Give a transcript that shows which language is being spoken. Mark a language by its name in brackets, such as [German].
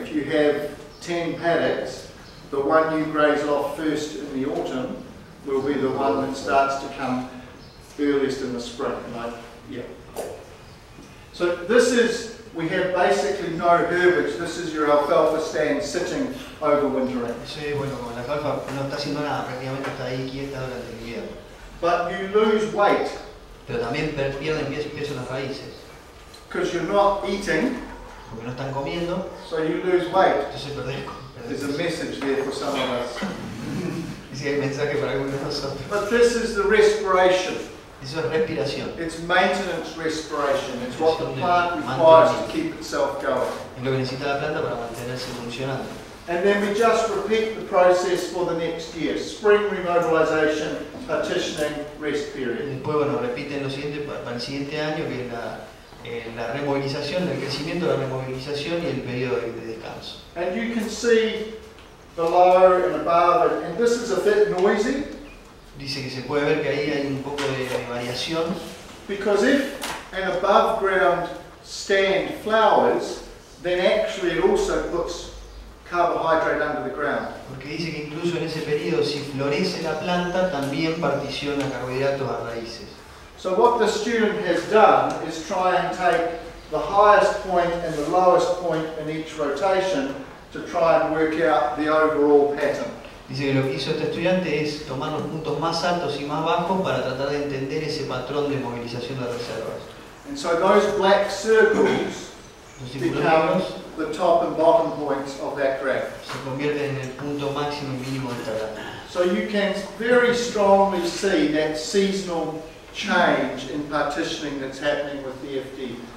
[English] If you have 10 paddocks, the one you graze off first in the autumn will be the one that starts to come earliest in the spring. So this is, we have basically no herbage. This is your alfalfa stand sitting overwintering. [Spanish] Sí, bueno, la alfalfa no está haciendo nada, prácticamente está ahí quieta durante el invierno. [English] But you lose weight. [Spanish] Pero también pierden peso las raíces. [English] Because you're not eating. [Spanish] Porque no están comiendo. [English] So you lose weight. [Spanish] Entonces perdés. [English] There's a message there for some of us. [Spanish] Y si hay mensaje para algunos de nosotros. [English] But this is the respiration. [Spanish] Eso es respiración. [English] It's maintenance respiration. It's what the plant requires to keep itself going. [Spanish] Es lo que necesita la planta para mantenerse funcionando. [English] And then we just repeat the process for the next year. Spring remobilization, partitioning, rest period. [Spanish] Después, bueno, repiten lo siguiente para el siguiente año, que es la removilización, el crecimiento, la removilización y el periodo de descanso. [English] And you can see below and above, and this is a bit noisy. [Spanish] Dice que se puede ver que ahí hay un poco de variación. [English] Because if an above ground stand flowers, then actually it also puts carbohydrate under the ground. [Spanish] Porque dice que incluso en ese periodo, si florece la planta, también particiona carbohidratos a raíces. [English] So what the student has done is try and take the highest point and the lowest point in each rotation to try and work out the overall pattern. [Spanish] Dice que lo que hizo este estudiante es tomar los puntos más altos y más bajos para tratar de entender ese patrón de movilización de reservas. [English] And so those black circles become the top and bottom points of that graph. [Spanish] Se convierten en el punto máximo y mínimo del graph. [English] So you can very strongly see that seasonal change in partitioning that's happening with EFD.